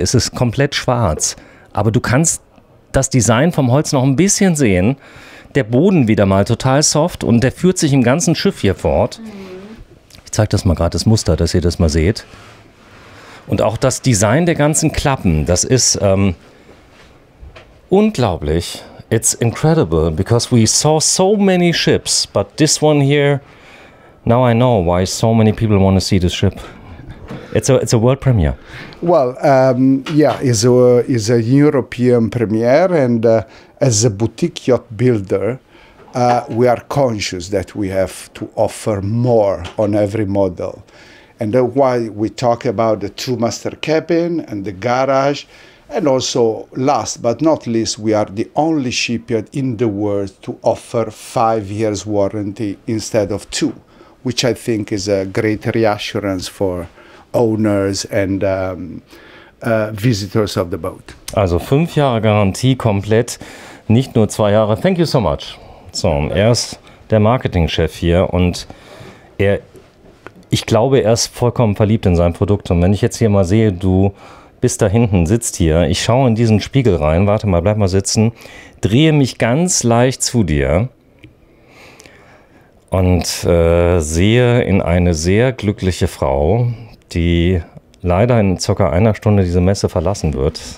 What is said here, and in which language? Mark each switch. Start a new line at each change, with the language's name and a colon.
German: Es ist komplett schwarz. Aber du kannst das Design vom Holz noch ein bisschen sehen. Der Boden wieder mal total soft und der führt sich im ganzen Schiff hier fort. Ich zeige das mal gerade, das Muster, dass ihr das mal seht. Und auch das Design der ganzen Klappen, das ist unglaublich.
English: It's incredible, because we saw so many ships, but this one here, now I know why so many people want to see this ship. It's a world premiere. Well, it's a European premiere, and as a boutique yacht builder, we are conscious that we have to offer more on every model. And that's why we talk about the two master cabin and the garage. And also, last but not least, we are the only shipyard in the world to offer 5 years warranty instead of two, which I think is a great reassurance for owners and visitors of the boat.
German: Also 5 Jahre Garantie komplett, nicht nur 2 Jahre.
English: Thank you so much.
German: So, er ist der Marketingchef hier und ich glaube, er ist vollkommen verliebt in sein Produkt. Und wenn ich jetzt hier mal sehe, du bist da hinten, sitzt hier, ich schaue in diesen Spiegel rein, warte mal, bleib mal sitzen, drehe mich ganz leicht zu dir und sehe in eine sehr glückliche Frau, die leider in circa einer Stunde diese Messe verlassen wird.